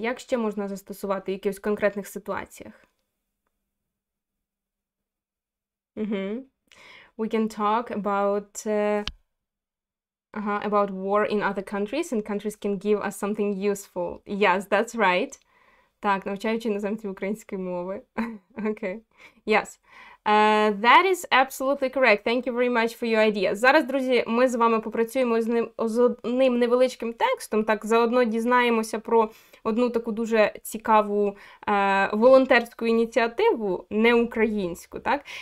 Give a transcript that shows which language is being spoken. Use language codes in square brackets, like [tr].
[uk] Як ще можна застосувати в якихось конкретних ситуаціях? Mm-hmm. [en] We can talk about about war in other countries, and countries can give us something useful. Yes, that's right. [uk] Так, навчаючи іноземців української мови. [en] Okay. Yes. That is absolutely correct. Thank you very much for your idea. [uk] Зараз, друзі, ми з вами попрацюємо з одним невеличким текстом, так, заодно дізнаємося про одну таку дуже цікаву волонтерську ініціативу, не українську, так?